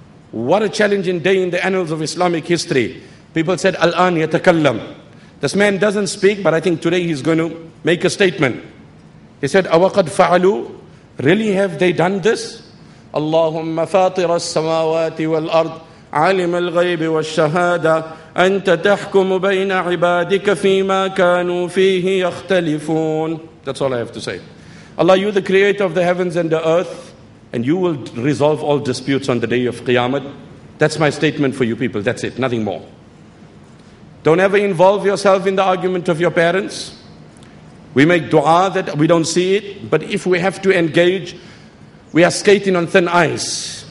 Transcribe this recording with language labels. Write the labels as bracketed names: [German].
[English] What a challenging day in the annals of Islamic history. People said, [Arabic] al-an yatakallam. [English] This man doesn't speak, but I think today he's going to make a statement. He said, [Arabic] awaqad fa'alu. [English] Really, have they done this? [Arabic] Allahumma fatira as-samawati wal-ard, علم الغيب والشهادة أنت تحكم بين عبادك فيما كانوا فيه يختلفون. [English] That's all I have to say. Allah, you the creator of the heavens and the earth, and you will resolve all disputes on the day of Qiyamah. That's my statement for you people. That's it. Nothing more. Don't ever involve yourself in the argument of your parents. We make dua that we don't see it, but if we have to engage, we are skating on thin ice.